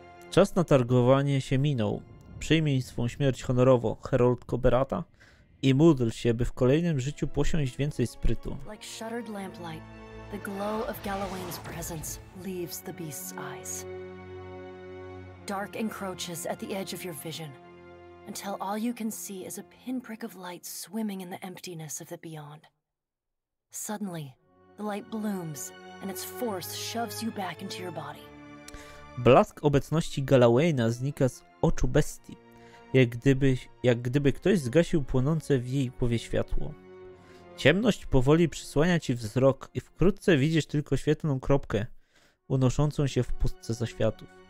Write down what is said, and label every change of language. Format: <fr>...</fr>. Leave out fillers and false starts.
<pl>Czas na targowanie się minął. Przyjmij swą śmierć honorowo, Herald Koberata, i módl się, by w kolejnym życiu posiąść więcej sprytu.</pl> <en>Like shuttered lamplight, the glow of Galloway's presence leaves the beast's eyes. Dark encroaches at the edge of your vision, until all you can see is a pinprick of light swimming in the emptiness of the beyond. Suddenly, the light blooms, and its force shoves you back into your body.</en> <pl>Blask obecności Galawayna znika z oczu bestii, jak gdyby ktoś zgasił płonące w jej głowie światło. Ciemność powoli przysłania ci wzrok i wkrótce widzisz tylko świetlną kropkę, unoszącą się w pustce zaświatów.</pl>